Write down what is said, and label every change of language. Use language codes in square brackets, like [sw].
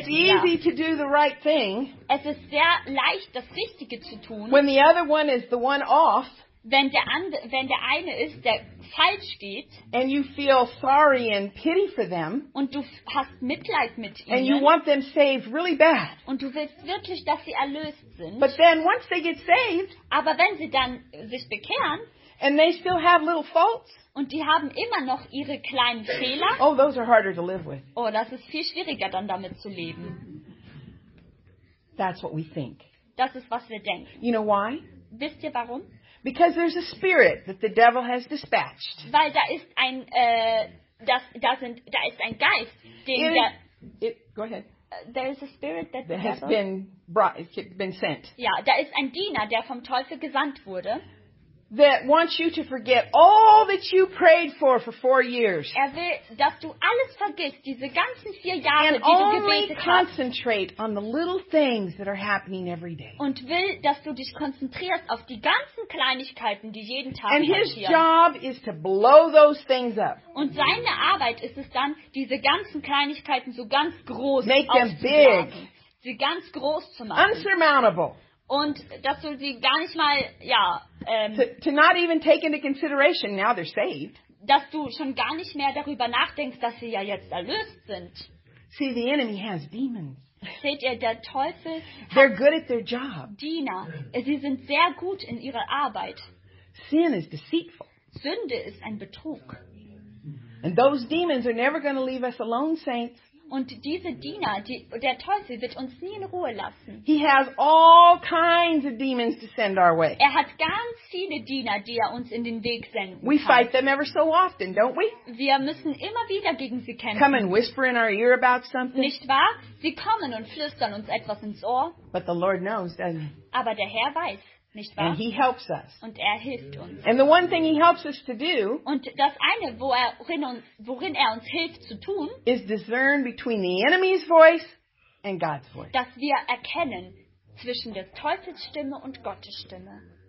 [en] It's easy to do the right thing. [de] Es ist sehr leicht, das Richtige zu tun. [en] When the other one is the one off. [de] Wenn der eine ist, der falsch geht, [en] and you feel sorry and pity for them, [de] und du hast Mitleid mit ihnen, [en] and you want them saved really bad, [de] und du willst wirklich, dass sie erlöst sind, [en] but then once they get saved, [de] aber wenn sie dann sich bekehren, [en] and they still have little faults, [de] und die haben immer noch ihre kleinen Fehler, [en] oh, those are harder to live with. [de] Oh, das ist viel schwieriger, dann damit zu leben. [en] That's what we think. [de] Das ist, was wir denken. [en] You know why? [de] Wisst ihr warum? [en] Because there's a spirit that the devil has dispatched. [de] Weil da ist ein ein Geist, den der. [en] Go ahead. There is a spirit that the has devil, been brought, been sent. [de] Ja, da ist ein Diener, der vom Teufel gesandt wurde. [en] That wants you to forget all that you prayed for 4 years. [de] Er will, dass du alles vergisst, diese ganzen 4 Jahre, [en] and [de] die du gebetet hast. [en] And only concentrate on the little things that are happening every day. [de] Und will, dass du dich konzentrierst auf die ganzen Kleinigkeiten, die jeden Tag passieren. [en] And his job is to blow those things up. [de] Und seine Arbeit ist es dann, diese ganzen Kleinigkeiten so ganz groß zu [en] machen. Make them big. [de] Sie ganz groß zu machen. [en] Unsurmountable. [de] Und dass du sie gar nicht mal, [en] to not even take into consideration, now they're saved. [de] Dass du schon gar nicht mehr darüber nachdenkst, dass sie ja jetzt erlöst sind. [en] See, the enemy has demons. [de] Seht ihr, der Teufel [en] they're good at their job. [de] Diener. Sie sind sehr gut in ihrer Arbeit. [en] Sin is deceitful. [de] Sünde ist ein Betrug. [en] And those demons are never going to leave us alone, saints. [de] Und diese Diener, der Teufel wird uns nie in Ruhe lassen. [en] He has all kinds of demons to send our way. [de] Er hat ganz viele Diener, die er uns in den Weg senden. [en] We fight them ever so often, don't we? [de] Wir müssen immer wieder gegen sie kämpfen. [en] Come and whisper in our ear about something. [de] Nicht wahr? Sie kommen und flüstern uns etwas ins Ohr. [en] But the Lord knows, doesn't he? [de] Aber der Herr weiß. Nicht wahr? [en] And he helps us. [de] Und er hilft uns. [en] And the one thing he helps us to do, [de] und das eine, worin er uns hilft zu tun, [en] is discern between the enemy's voice and God's voice. [de] Dass wir erkennen zwischen der Teufels Stimme und Gottes Stimme.